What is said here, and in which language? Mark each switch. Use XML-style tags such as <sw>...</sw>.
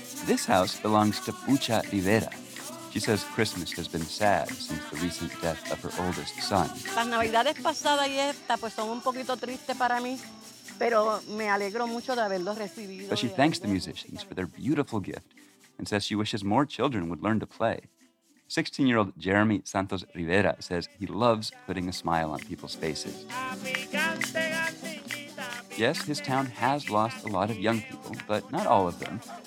<en>This house belongs to Pucha Rivera. She says Christmas has been sad since the recent death of her oldest son.</en> <es>Las navidades pasadas y esta pues son un poquito tristes para mí.</es> <en>But she thanks the musicians for their beautiful gift and says she wishes more children would learn to play. 16-year-old Jeremy Santos Rivera says he loves putting a smile on people's faces. Yes, his town has lost a lot of young people, but not all of them.</en>